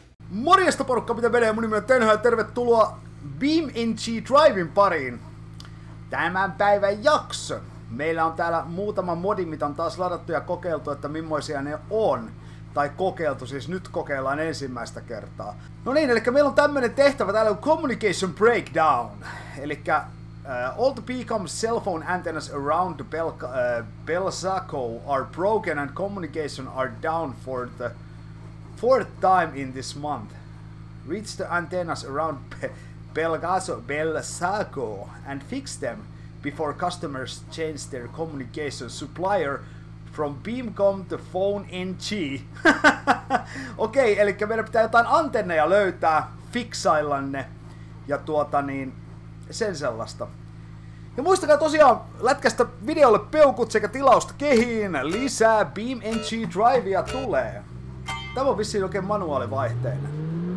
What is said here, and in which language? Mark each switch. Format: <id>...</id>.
<fi>Morjesta porukka, mitä menee? Mun nimi on Tenho ja tervetuloa BeamNG Drivein pariin. Tämän päivän jakso. Meillä on täällä muutama modi, mitä on taas ladattu ja kokeiltu, että millaisia ne on. Tai kokeiltu, siis nyt kokeillaan ensimmäistä kertaa. No niin, eli meillä on tämmönen tehtävä, täällä on Communication Breakdown. Eli</fi> <en>all the PCOM cell phone antennas around the Belzaco are broken and communication are down for the fourth time in this month. Reach the antennas around Belzaco and fix them before customers change their communication supplier from BeamCom to PhoneNG.</en> <fi>Okei, eli meidän pitää jotain antenneja löytää, fiksaillanne ja tuota niin, sen sellaista. Ja muistakaa tosiaan lätkästä videolle peukut sekä tilausta kehiin, lisää BeamNG Drivea tulee. Tämä on vissiin oikein manuaalivaihteinen.</fi>